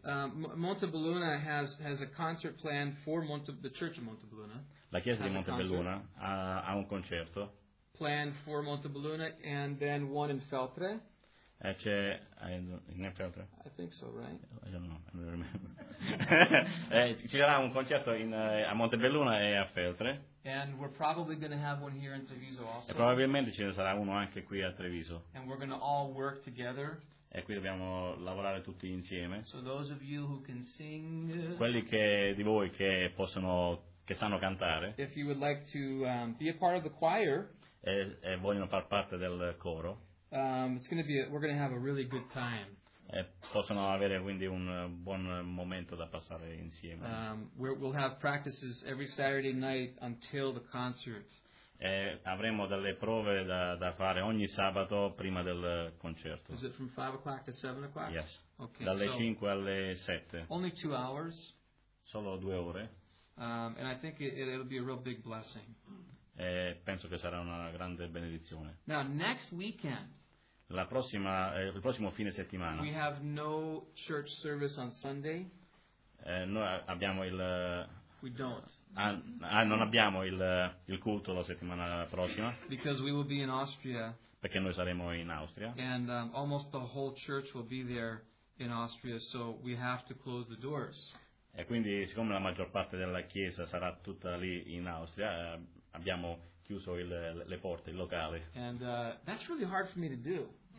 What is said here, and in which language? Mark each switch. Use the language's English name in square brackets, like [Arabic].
[English] Montebelluna has a concert planned for the Church of Montebelluna. [Italian] La chiesa di Montebelluna ha un concerto. [English] Planned for Montebelluna and then one in Feltre. [Italian] In Feltre. [English] I think so, right? I don't know. I don't remember. [Italian] Ci sarà un concerto a Montebelluna e a Feltre. [English] And we're probably going to have one here in Treviso also. [Italian] E probabilmente ce ne sarà uno anche qui a Treviso. [English] And we're going to all work together. [Italian] E qui dobbiamo lavorare tutti insieme. [English] So those of you who can sing. [Italian] Quelli che di voi che possono, che sanno cantare. [English] If you would like to be a part of the choir. [Italian] E vogliono far parte del coro. [English] We're going to have a really good time. [Italian] E possono avere quindi un buon momento da passare insieme. [English] We'll have practices every Saturday night until the concert. [Italian] E avremo delle prove da fare ogni sabato prima del concerto. [English] Is it from 5 o'clock to 7 o'clock? Yes. Okay. [Italian] Dalle 5 alle 7. [English] Only 2 hours. [Italian] Solo 2 ore. [English] And I think it'll be a real big blessing. [Italian] Penso che sarà una grande benedizione. [English] Now, next weekend, [Italian] il prossimo fine settimana, [English] we have no church service on Sunday. [Italian] Noi abbiamo il. [English] We don't. [Italian] Non abbiamo il culto la settimana prossima. [English] Because we will be in Austria. [Italian] Perché noi saremo in Austria. [English] And almost the whole church will be there in Austria, so we have to close the doors. [Italian] E quindi, siccome la maggior parte della chiesa sarà tutta lì in Austria, abbiamo chiuso le porte, il locale. [English] And that's really hard for me to do.